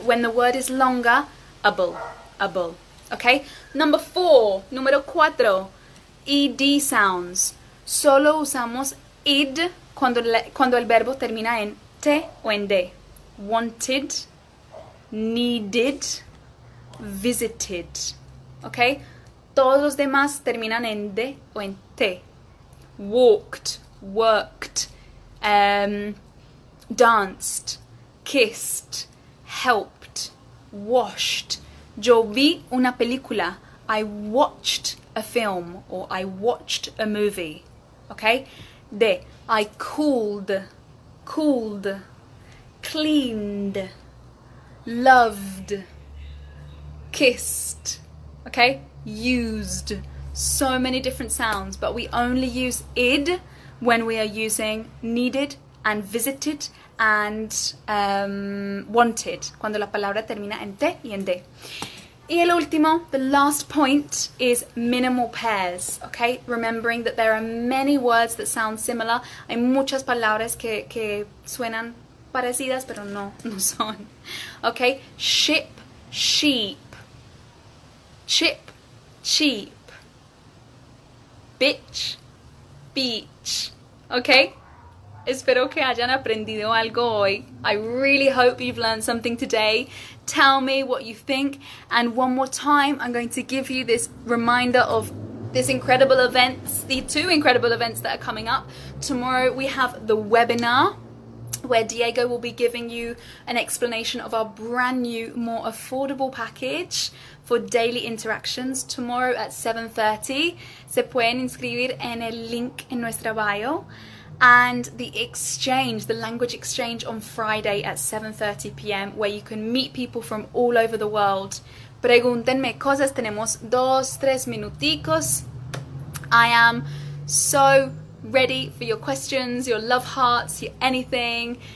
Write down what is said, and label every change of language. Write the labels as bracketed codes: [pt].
[en] When the word is longer, able, able, okay? Number four, [es] número cuatro, [en] ed sounds. [es] Solo usamos id cuando el verbo termina en t o en d. [en] Wanted, needed, visited, okay? [es] Todos los demás terminan en d o en t. [en] Walked, worked, danced, kissed, helped, washed. [es] Yo vi una película. [en] I watched a film, or I watched a movie. Okay? De, I cooled, cleaned, loved, kissed. Okay? Used. So many different sounds, but we only use id when we are using needed and visited and wanted. [es] Cuando la palabra termina en te y en de. Y el último, [en] the last point, is minimal pairs, okay? Remembering that there are many words that sound similar. [es] Hay muchas palabras que suenan parecidas, pero no son. [en] Okay, ship, sheep. Chip, cheap. Bitch, beach. Okay? [es] Espero que hayan aprendido algo hoy. [en] I really hope you've learned something today. Tell me what you think. And one more time, I'm going to give you this reminder of this incredible event, the two incredible events that are coming up. Tomorrow we have the webinar, where Diego will be giving you an explanation of our brand new, more affordable package for daily interactions tomorrow at 7:30. [es] Se pueden inscribir en el link en nuestra bio. [en] And the exchange, the language exchange on Friday at 7:30 p.m. where you can meet people from all over the world. [es] Pregúntenme cosas, tenemos dos, tres minuticos. [en] I am so ready for your questions, your love hearts, your anything.